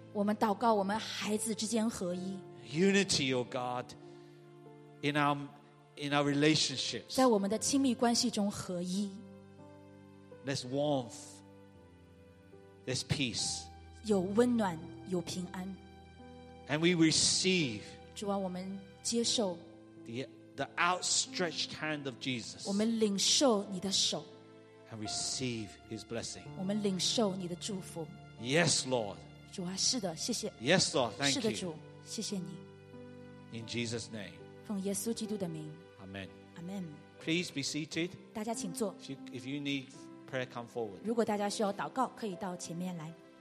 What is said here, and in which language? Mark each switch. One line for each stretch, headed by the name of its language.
Chinese: 我们祷告我们孩子之间合一。
English: Unity, O God, in our relationships,
Chinese: 在我们的亲密关系中合一。
English: There's warmth, there's peace.
Chinese: 有温暖，有平安。
English: And we receive,
Chinese: 主啊，我们接受
English: the outstretched hand of Jesus.
Chinese: 我们领受你的手。
English: And receive His blessing.
Chinese: 我们领受你的祝福。
English: Yes, Lord.
Chinese: 主啊，是的，谢谢。
English: Yes, Lord. Thank you.
Chinese: 是的，主，谢谢你。
English: In Jesus' name.
Chinese: 奉耶稣基督的名。
English: Amen. Amen. Please be seated.
Chinese: 大家请坐。
English: If you need prayer, come forward.
Chinese: 如果大家需要祷告，可以到前面来。